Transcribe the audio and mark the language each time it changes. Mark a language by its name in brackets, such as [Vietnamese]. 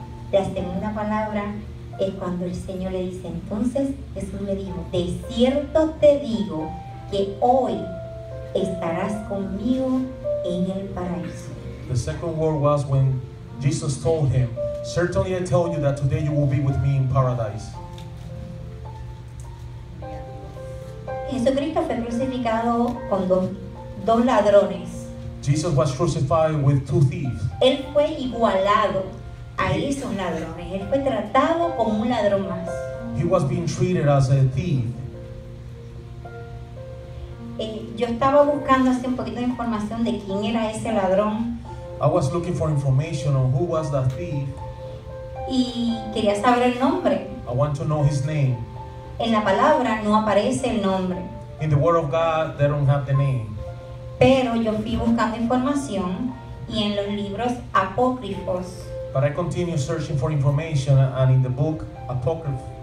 [Spanish] La segunda palabra es cuando el Señor le dice, entonces Jesús le dijo, de cierto te digo que hoy estarás conmigo en el paraíso. [English] The second word was when Jesus told him, certainly I tell you that today you will be with me in paradise. [Spanish] Jesucristo fue crucificado con dos ladrones. [English] Jesus was crucified with two thieves. [Spanish] Él fue igualado a esos ladrones. Él fue tratado como un ladrón más. [English] He was being treated as a thief. [Spanish] Yo estaba buscando así un poquito de información de quién era ese ladrón. [English] I was looking for information on who was that thief. [Spanish] Y quería saber el nombre. [English] I want to know his name. [Spanish] En la palabra no aparece el nombre. [English] In the word of God, they don't have the name. [Spanish] Pero yo fui buscando información y en los libros apócrifos. [English] But I continue searching for information, and in the book Apocrypha.